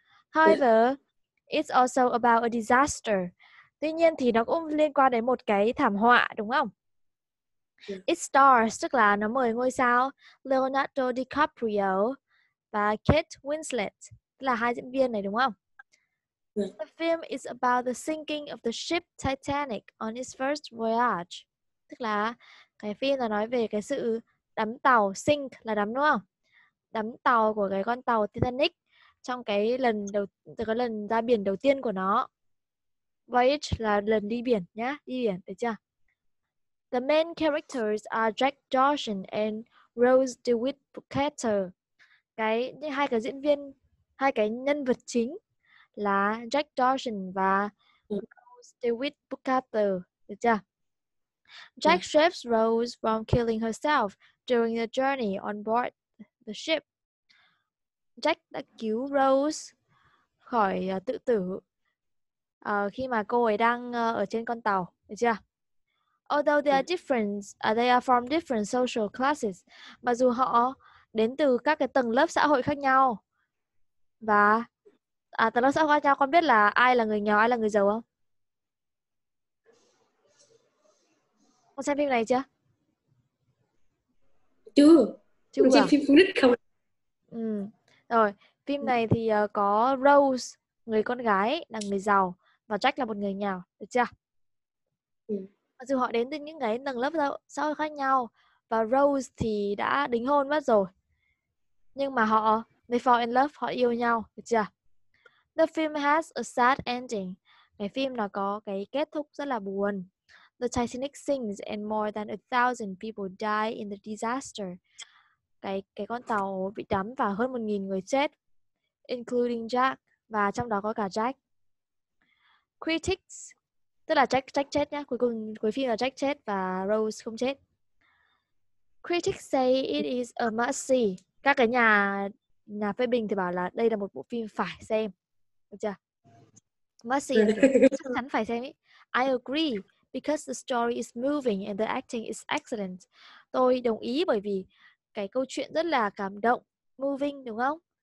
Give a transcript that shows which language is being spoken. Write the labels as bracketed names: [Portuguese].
[English] However, it's also about a disaster. [Vietnamese] Tuy nhiên thì nó cũng liên quan đến một cái thảm họa đúng không? [English] It stars, [Vietnamese] tức là nó mời ngôi sao Leonardo DiCaprio và Kate Winslet, là hai diễn viên này đúng không? Yeah. [English] The film is about the sinking of the ship Titanic on its first voyage. [Vietnamese] Tức là cái phim là nói về cái sự đắm tàu, sink là đắm đúng không? Đắm tàu của cái con tàu Titanic trong cái lần đầu, từ cái lần ra biển đầu tiên của nó. Voyage là lần đi biển nhá, đi biển, được chưa? [English] The main characters are Jack Dawson and Rose DeWitt Carter. [Vietnamese] Cái hai cái diễn viên, hai cái nhân vật chính là Jack Dawson và Rose DeWitt Carter, được chưa? [English] Jack saves Rose from killing herself during the journey on board the ship. [Vietnamese] Jack đã cứu Rose khỏi tự tử khi mà cô ấy đang ở trên con tàu, được chưa? [English] Although they are different, they are from different social classes. [Vietnamese] Mặc dù họ đến từ các cái tầng lớp xã hội khác nhau. Và tầng lớp xã hội khác nhau, con biết là ai là người nghèo, ai là người giàu không? Con xem phim này chưa? Chưa. Con xem phim Phương Đức không? Ừ. Rồi, phim này thì có Rose, người con gái, là người giàu. Và Jack là một người nghèo, được chưa? Mặc dù họ đến từ những cái tầng lớp xã hội khác nhau và Rose thì đã đính hôn mất rồi. Nhưng mà họ, [English] they fall in love, [Vietnamese] họ yêu nhau, được chưa? [English] The film has a sad ending. [Vietnamese] Cái phim nó có cái kết thúc rất là buồn. [English] The Titanic sinks and more than 1,000 people die in the disaster. [Vietnamese] Cái con tàu bị đắm và hơn 1,000 người chết, [English] including Jack, [Vietnamese] và trong đó có cả Jack. Critics, tức là Jack chết nhá, cuối cùng cuối phim là Jack chết và Rose không chết. [English] Critics say it is a must see. [Vietnamese] Các cái nhà phê bình thì bảo là đây là một bộ phim phải xem, được chưa? Must see, chắc chắn phải xem ý. [English] I agree because the story is moving and the acting is excellent. [Vietnamese] Tôi đồng ý bởi vì cái câu chuyện rất là cảm động, moving đúng không?